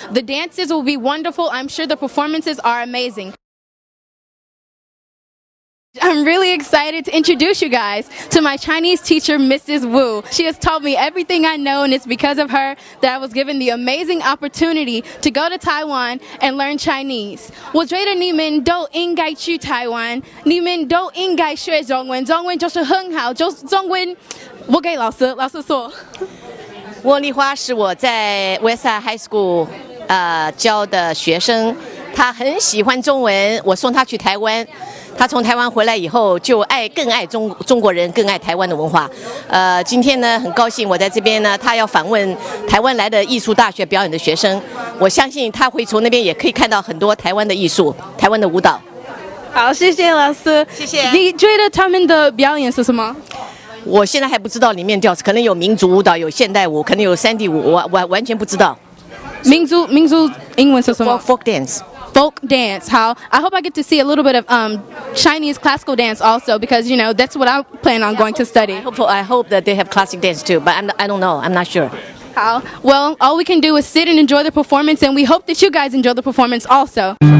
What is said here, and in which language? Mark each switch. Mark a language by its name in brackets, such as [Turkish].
[English] The dances will be wonderful. I'm sure the performances are amazing. I'm really excited to introduce you guys to my Chinese teacher, Mrs. Wu. She has taught me everything I know, and it's because of her that I was given the amazing opportunity to go to Taiwan and learn Chinese. [Chinese] 我觉得你们都应该去台湾，你们都应该学中文，中文就是很好，就中文，我给老师，老师说。茉莉花是我在 Westside High School, 教的学生，她很喜欢中文，我送她去台湾。他从台湾回来以后就爱更爱中国人更爱台湾的文化，今天呢很高兴我在这边呢，他要访问台湾来的艺术大学表演的学生，我相信他会从那边也可以看到很多台湾的艺术，台湾的舞蹈。好，谢谢老师。谢谢。你觉得他们的表演是什么？我现在还不知道里面叫，可能有民族舞蹈，有现代舞，可能有三 D 舞，我完全不知道。民族英文是什么？ [English] Folk dance。 Folk dance. How I hope I get to see a little bit of Chinese classical dance also, because you know that's what I plan on going to study. I hope that they have classic dance too, but I don't know. I'm not sure. How? Well, all we can do is sit and enjoy the performance, and we hope that you guys enjoy the performance also.